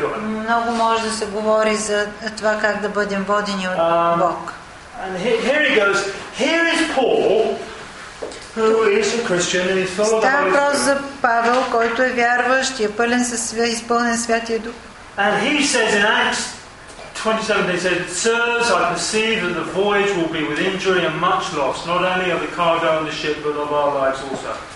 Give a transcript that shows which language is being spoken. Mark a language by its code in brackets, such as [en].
[bg] Много може да се говори за това как да бъдем водени от Бог. [en] And here he goes. Here is Paul, who is a Christian and he's full of the Holy Spirit. [bg] За Павел, който е вярващ и е пълен със изпълнен Святия Дух. [en] And he says in Acts 27, he said, "Sirs, I perceive that the voyage will be with injury and much loss, not only of the cargo and the ship, but of our lives also."